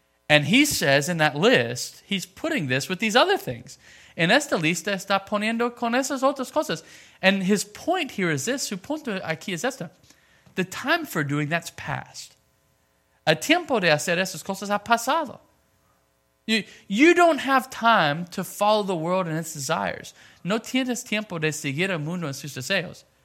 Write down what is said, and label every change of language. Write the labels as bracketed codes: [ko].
[en] And he says in that list, he's putting this with these other things. [es] En esta lista está poniendo con esas otras cosas. [en] And his point here is this, [es] su punto aquí es esto. [en] The time for doing that's past. [es] El tiempo de hacer esas cosas ha pasado. [en] You don't have time to follow the world and its desires. [es] No tienes tiempo de seguir el mundo en sus deseos.